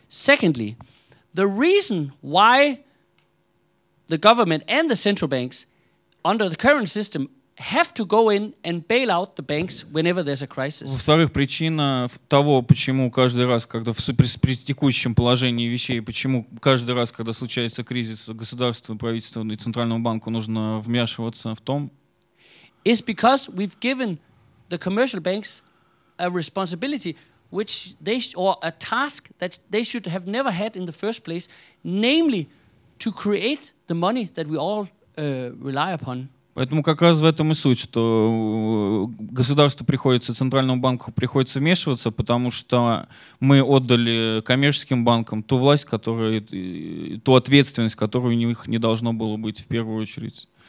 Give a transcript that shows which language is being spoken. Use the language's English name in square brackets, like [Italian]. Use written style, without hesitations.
[English] Secondly, the reason why the government and the central banks, under the current system, have to go in and bail out the banks whenever there's a crisis. [Russian] Во-вторых, причина того, почему каждый раз, когда при текущем положении вещей, почему каждый раз, когда случается кризис, государству, правительству и центральному банку нужно вмешиваться в том, [English] is because we've given the commercial banks a responsibility which they or a task that they should have never had in the first place, namely to create the money that we all rely upon. [Russian] Поэтому как раз в этом и суть, что государству приходится, центральному банку приходится вмешиваться, потому что мы отдали коммерческим банкам ту власть, которая, ту ответственность, которую у них не должно было быть в первую очередь.